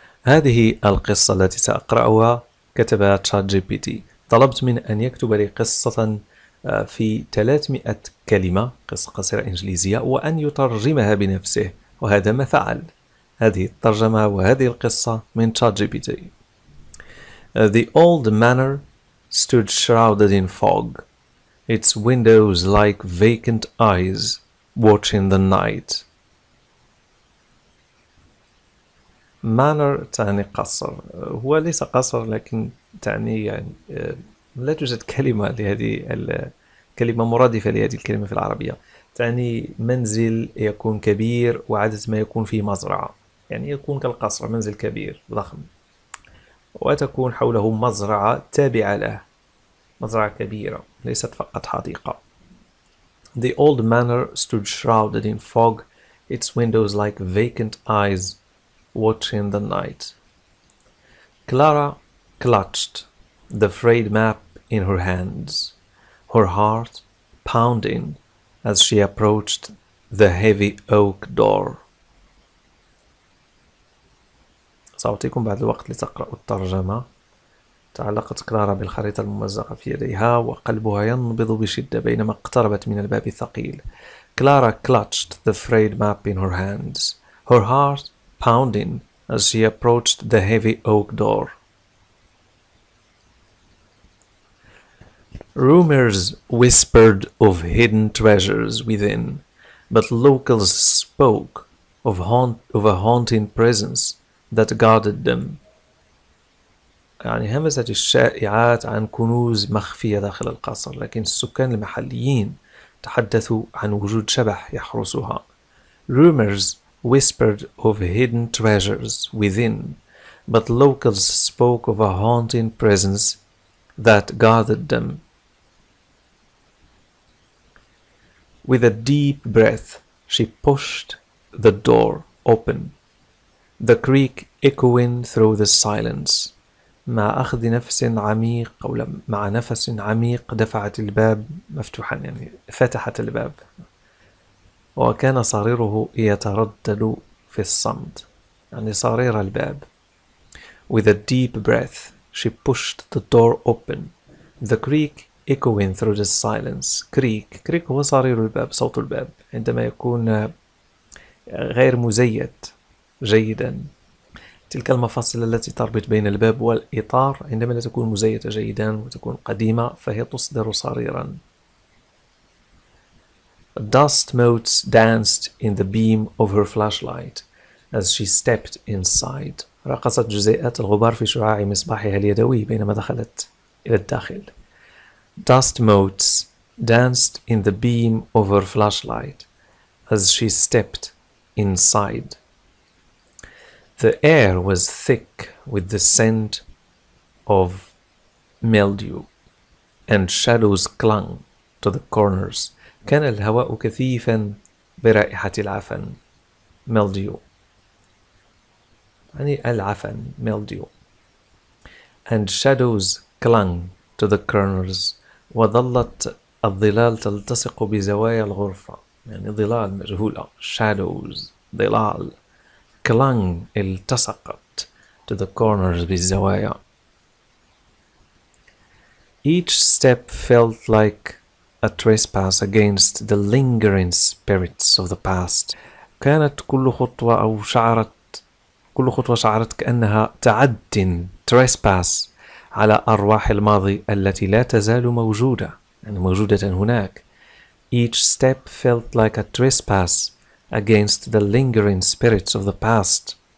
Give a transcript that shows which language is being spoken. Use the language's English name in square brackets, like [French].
[Arabic] هذه القصة التي سأقرأها كتبها تشات جي بي تي. طلبت منه أن يكتب لي قصة في 300 كلمة، قصة قصيرة إنجليزية، وأن يترجمها بنفسه، وهذا ما فعل. هذه الترجمة وهذه القصة من تشات جي بي تي. [English] The old manor stood shrouded in fog, its windows like vacant eyes watching the night. [Arabic] مانر تعني قصر، هو ليس قصر لكن تعني، يعني لا توجد كلمة لهذه الكلمة مرادفة لهذه الكلمة في العربية، تعني منزل يكون كبير وعادة ما يكون فيه مزرعة، يعني يكون كالقصر، منزل كبير ضخم وتكون حوله مزرعة تابعة له، مزرعة كبيرة ليست فقط حديقة. [English] The old manor stood shrouded in fog, its windows like vacant eyes watching the night. Clara clutched the frayed map in her hands, her heart pounding as she approached the heavy oak door. [Arabic] سأعطيكم بعد الوقت لتقرأوا الترجمة. تعلقت كلارا بالخريطة الممزقة في يديها وقلبها ينبض بشدة بينما اقتربت من الباب الثقيل. [English] Clara clutched the frayed map in her hands, her heart pounding as she approached the heavy oak door. Rumors whispered of hidden treasures within, but locals spoke of a haunting presence that guarded them. [Arabic] يعني همست الشائعات عن كنوز مخفية داخل القصر، لكن السكان المحليين تحدثوا عن وجود شبح يحرسها. [English] Rumors whispered of hidden treasures within, but locals spoke of a haunting presence that guarded them. With a deep breath, she pushed the door open, the creak echoing through the silence. [Arabic] مع أخذ نفس عميق، أو مع نفس عميق، دفعت الباب مفتوحا، يعني فتحت الباب، وكان صريره يتردد في الصمت، يعني صرير الباب. [English] With a deep breath, she pushed the door open, the creak echoing through the silence. [Arabic] Creak، creak هو صرير الباب، صوت الباب عندما يكون غير مزيت جيدا، تلك المفاصل التي تربط بين الباب والإطار عندما لا تكون مزيتة جيدا وتكون قديمة فهي تصدر صريرا. [English] Dust motes danced in the beam of her flashlight as she stepped inside. [Arabic] رقصت جزيئات الغبار في شعاع مصباحها اليدوي بينما دخلت إلى الداخل. [English] Dust motes danced in the beam of her flashlight as she stepped inside. The air was thick with the scent of mildew and shadows clung to the corners. [Arabic] كان الهواء كثيفا برائحة العفن mildew، يعني العفن mildew. [English] And shadows clung to the corners، [Arabic] وظلت الظلال تلتصق بزوايا الغرفة، يعني ظلال مجهولة shadows ظلال. [English] Clung التصقت to the corners بالزوايا. Each step felt like a trespass against the lingering spirits of the past. [Arabic] كانت كل خطوة أو شعرت كل خطوة شعرت كأنها تعد trespass على أرواح الماضي التي لا تزال موجودة، يعني موجودة هناك. [English] Each step felt like a trespass against the lingering spirits of the past.